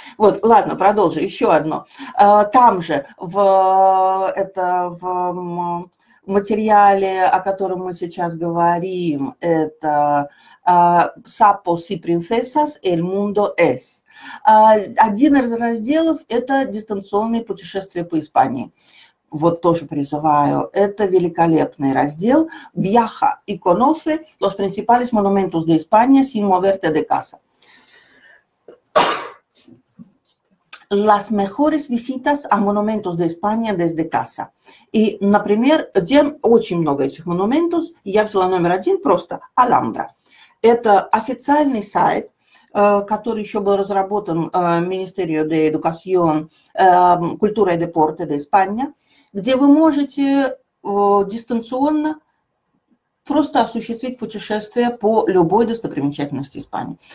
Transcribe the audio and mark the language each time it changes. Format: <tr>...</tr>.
<ru>Вот, ладно, продолжу. Еще одно. Там же, в материале, о котором мы сейчас говорим, это</ru> <es>«Sapos y princesas, el mundo es».</es> <ru>Один из разделов – это дистанционные путешествия по Испании. Вот тоже призываю. Это великолепный раздел.</ru> <es>«Viaja y conoce los principales monumentos de España sin moverte de casa». «Las mejores visitas a monumentos de España desde casa».</es> <ru>И, например, тем очень много этих монументов. Я взяла номер один просто – «Alhambra». Это официальный сайт, который еще был разработан Министерио де Эдукасьон, Культура и Депорте де Испания, где вы можете дистанционно просто осуществить путешествие по любой достопримечательности Испании.</ru>